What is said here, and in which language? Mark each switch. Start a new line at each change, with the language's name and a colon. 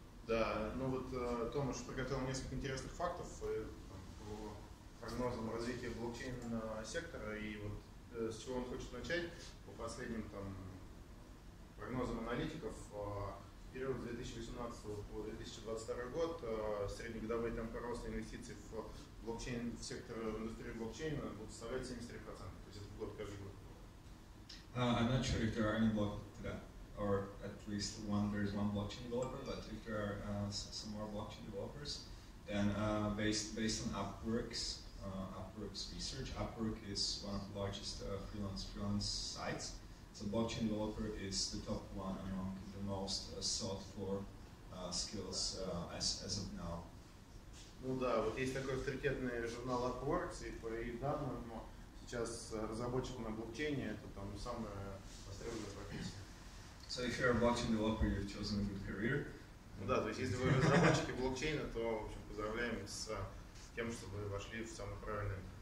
Russian: Да, ну вот Томаш приготовил несколько интересных фактов по прогнозам развития блокчейн сектора, и вот с чего он хочет начать, по последним там прогнозам аналитиков, в период с 2018 по 2022 год среднегодовые темпы роста инвестиций в блокчейн, в сектор индустрии блокчейна будут составлять 73%, то есть это год каждый год.
English: I'm not sure if there are any blocks to that, or at least one, there is one blockchain developer, but if there are some more blockchain developers, then based on Upwork's, Upwork's research, Upwork is one of the largest freelance sites, so blockchain developer is the top one among the most sought for skills as of now.
Russian: Ну да, вот есть такой авторитетный журнал Upwork, и по их данным, сейчас разработчик на блокчейне, это там самая востребованная профессия.
English: So if you're a blockchain developer, you've chosen a good career.
Russian: Да, то есть если вы разработчики блокчейна, то, в общем, поздравляем с тем, что вы вошли в самый правильный